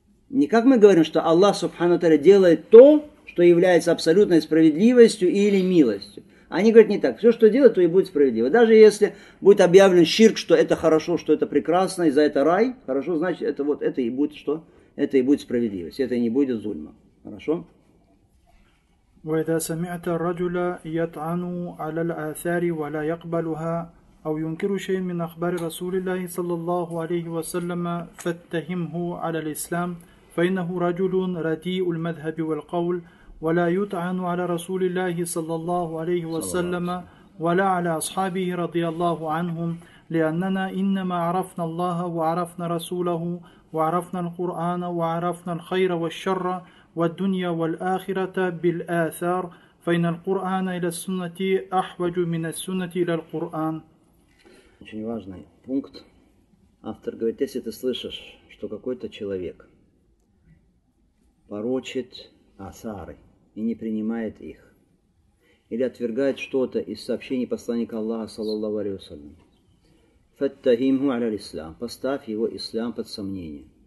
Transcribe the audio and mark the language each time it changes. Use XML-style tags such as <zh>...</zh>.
<ru>Не как мы говорим, что Аллах Субхану Та'аля делает то, что является абсолютной справедливостью или милостью. Они говорят не так. Все, что делают, то и будет справедливо. Даже если будет объявлен ширк, что это хорошо, что это прекрасно, и за это рай, хорошо, значит, это вот это и будет что? Это и будет справедливость. Это и не будет зульма. Хорошо?</ru> <ar>وَإِذَا سَمِعْتَ الرَّجُلَ يَطْعَنُ عَلَى الْآثَارِ وَلَا يَقْبَلُهَا أَوْ يُنْكِرُ شَيْءٍ مِنْ أَخْبَارِ رَسُولِ اللَّهِ صَلَّى اللَّهُ عَلَيْهِ وَسَلَّمَ فَاتَّهِمْهُ عَلَى الْإِسْلَامِ فإنه رجل رديء المذهب والقول ولا يطعن على رسول الله صلى الله عليه وسلم ولا على أصحابه رضي الله عنهم لأننا إنما عرفنا الله وعرفنا رسوله وعرفنا القرآن وعرفنا الخير والشر والدنيا والآخرة بالآثار فإن القرآن إلى السنة أحوج من السنة إلى القرآن.</ar> <ru>Очень важный пункт. Автор говорит, если ты слышишь, что какой-то человек порочит асары и не принимает их, или отвергает что-то из сообщений посланника Аллаха, саллаллаху алейхи ва саллям,</ru> <ar>фаттахимху аля-ислам,</ar> <ru>поставь его ислам под сомнение.</ru>